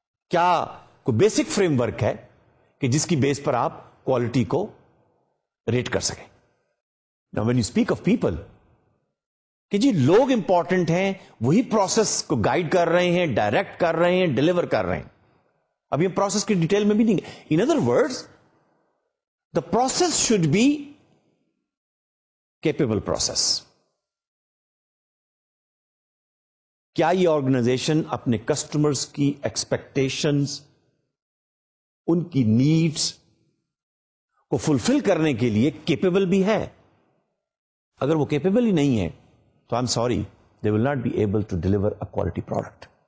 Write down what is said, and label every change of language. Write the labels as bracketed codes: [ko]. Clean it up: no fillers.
[ur] کیا کوئی basic framework ہے کہ جس کی بیس پر آپ quality کو rate کر سکیں. [en] Now, when you speak of people, [ur] کہ جی لوگ امپورٹنٹ ہیں, وہی پروسیس کو گائیڈ کر رہے ہیں, ڈائریکٹ کر رہے ہیں, ڈلیور کر رہے ہیں. اب یہ پروسیس کی ڈیٹیل میں بھی نہیں. [en] In other words, the process should be capable process. [ur] کیا یہ آرگنائزیشن اپنے کسٹمرز کی ایکسپیکٹیشنز, ان کی نیڈس کو فلفل کرنے کے لیے کیپیبل بھی ہے؟ اگر وہ کیپیبل ہی نہیں ہے تو [en] I am sorry, they will not be able to deliver a quality product.